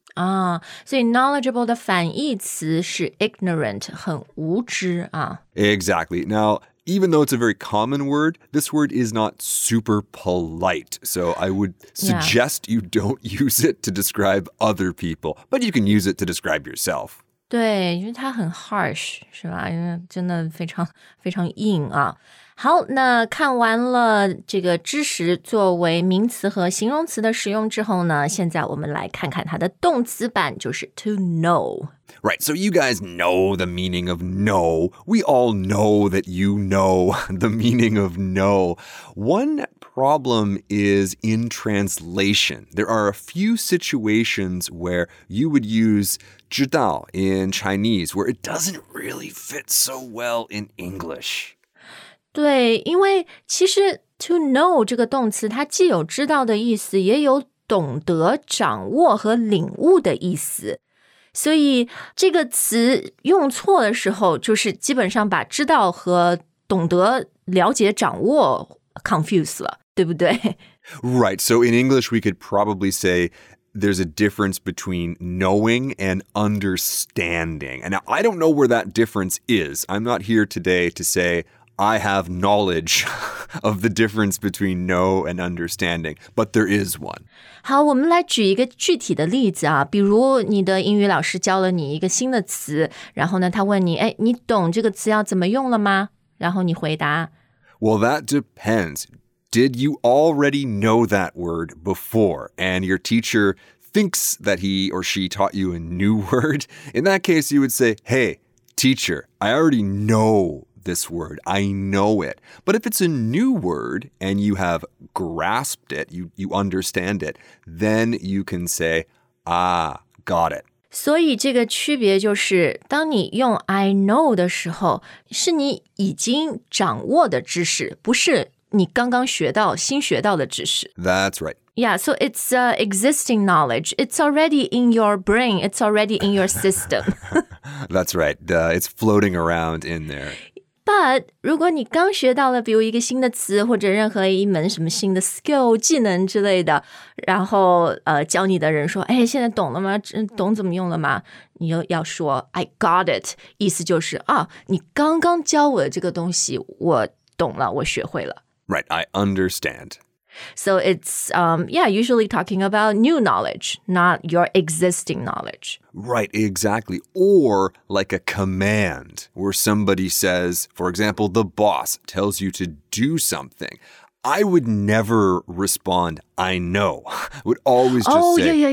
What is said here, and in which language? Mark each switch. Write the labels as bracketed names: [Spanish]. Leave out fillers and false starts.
[Chinese] 啊，所以 knowledgeable 的反义词是 ignorant, 很无知啊。 [English] Exactly. Now, even though it's a very common word, this word is not super polite. So I would suggest you don't use it to describe other people, but you can use it to describe yourself. [Chinese] 对，因为它很 harsh, 是吧？因为真的非常非常硬啊。好，那看完了这个知识作为名词和形容词的使用之后呢，现在我们来看看它的动词版，就是 to know. [English] Right, so you guys know the meaning of know. We all know that you know the meaning of know. One problem is in translation. There are a few situations where you would use 知道 in Chinese, where it doesn't really fit so well in English. [Chinese] 对，因为其实 to know 这个动词它既有知道的意思，也有懂得、掌握和领悟的意思。所以这个词用错的时候，就是基本上把知道和懂得、了解、掌握 confuse 了，对不对？ [English] Right, so in English we could probably say there's a difference between knowing and understanding. And now, I don't know where that difference is. I'm not here today to say... I have knowledge of the difference between know and understanding, but there is one. [Chinese] 好，我们来举一个具体的例子啊，比如你的英语老师教了你一个新的词，然后呢，他问你，哎，你懂这个词要怎么用了吗？然后你回答。 [English] Well, that depends. Did you already know that word before, and your teacher thinks that he or she taught you a new word? In that case, you would say, hey, teacher, I already knowThis word, I know it. But if it's a new word and you have grasped it, you understand it, then you can say, ah, got it. [Chinese] 所以这个区别就是当你用 I know 的时候是你已经掌握的知识不是你刚刚学到新学到的知识。 [English] That's right. Yeah, so it's existing knowledge. It's already in your brain. It's already in your system. That's right. It's floating around in there. [Chinese] But 如果你刚学到了比如一个新的词或者任何一门什么新的 skill, 技能之类的然后教你的人说哎现在懂了吗懂怎么用了吗你又要说 I got it, 意思就是啊你刚刚教我的这个东西我懂了我学会了。 [English] Right, I understand. So it's, usually talking about new knowledge, not your existing knowledge. Right, exactly. Or like a command where somebody says, for example, the boss tells you to do something. I would never respond, I know. I would always just say,